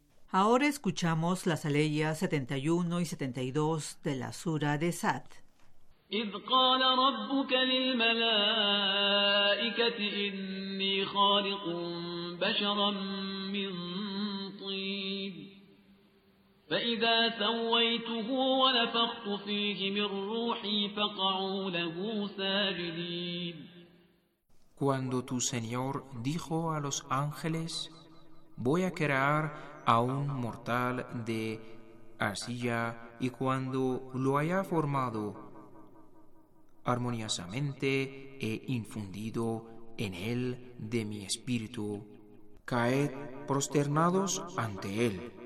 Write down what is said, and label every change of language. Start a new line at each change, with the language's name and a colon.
Spanish: Ahora escuchamos las aleyas 71 y 72 de la sura de Sad.
Arabic: إذ قال ربك للملائكة إني خالق بشرا من طين فإذا سويته ونفخت فيه من روحي فقعوا له ساجدين.
Spanish: Cuando tu Señor dijo a los ángeles, voy a crear a un mortal de arcilla, y cuando lo haya formado armoniosamente, he infundido en él de mi espíritu, caed prosternados ante él.